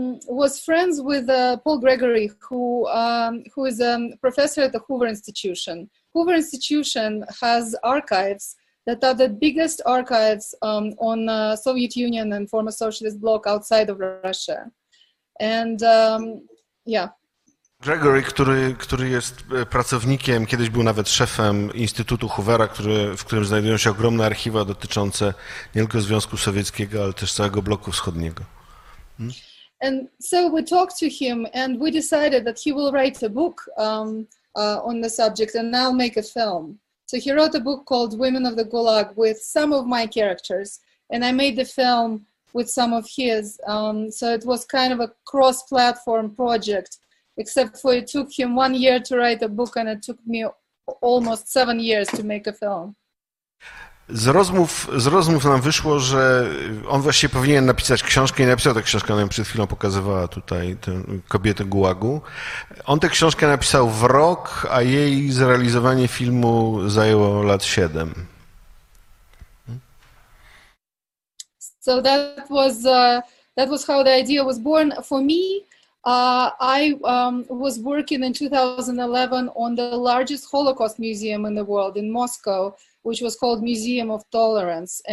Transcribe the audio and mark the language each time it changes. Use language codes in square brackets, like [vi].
[en] Was friends with Paul Gregory, who is a professor at the Hoover Institution. Hoover Institution has archives that are the biggest archives on the Soviet Union and former socialist bloc outside of Russia. And [pl] Gregory, który jest pracownikiem, kiedyś był nawet szefem Instytutu Hoovera, w którym znajdują się ogromne archiwa dotyczące nie tylko Związku Sowieckiego, ale też całego bloku wschodniego. [en] And so we talked to him and we decided that he will write a book on the subject and I'll make a film. So he wrote a book called Women of the Gulag with some of my characters and I made the film with some of his. So it was kind of a cross-platform project, except for it took him 1 year to write a book and it took me almost 7 years to make a film. [pl] Z rozmów nam wyszło, że on właśnie powinien napisać książkę i napisał tę książkę, ona przed chwilą pokazywała tutaj tę kobietę Gułagu. On tę książkę napisał w rok, a jej zrealizowanie filmu zajęło lat 7. [en] So that was how the idea was born. For me, I was working in 2011 on the largest Holocaust museum in the world in Moscow, which was called Museum of Tolerance.